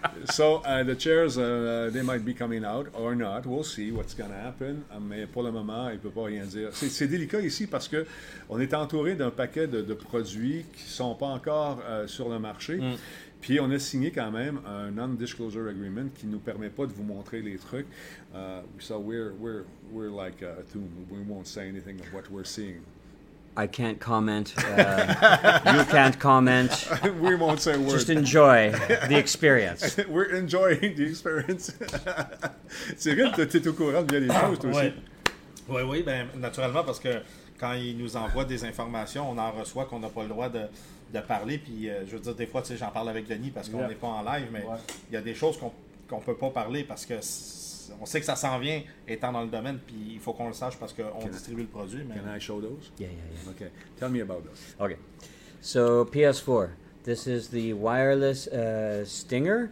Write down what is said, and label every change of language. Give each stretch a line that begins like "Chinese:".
English: So, the chairs, they might be coming out or not. We'll see what's going to happen.
French: Mais pour le moment, il ne peut pas rien dire. C'est délicat ici parce qu'on est entouré d'un paquet de produits qui ne sont pas encore sur le marché. Mm. Puis, on a signé quand même un non-disclosure agreement qui ne nous permet pas de vous montrer les trucs.
English: So, we're like a tomb. We won't say anything of what we're seeing. I can't comment. you can't comment. We won't say a word. Just enjoy the experience. We're enjoying the experience.
French: Cyril, tu es au courant de bien des choses, toi aussi. Oui, oui, bien, naturellement, parce que quand il nous envoie des informations, on en reçoit qu'on n'a pas le droit de parler. Puis, je veux dire, des fois, tu sais, j'en parle avec Denis parce qu'on n'est pas en live, mais il y a des choses qu'on ne peut pas parler parce que on sait que ça s'en vient étant dans le domaine, puis il faut qu'on le sache parce qu'on distribue le produit. Mais...
English: Can I show those? Yeah. Okay, tell me about those. Okay, so PS4, this is the wireless Stinger.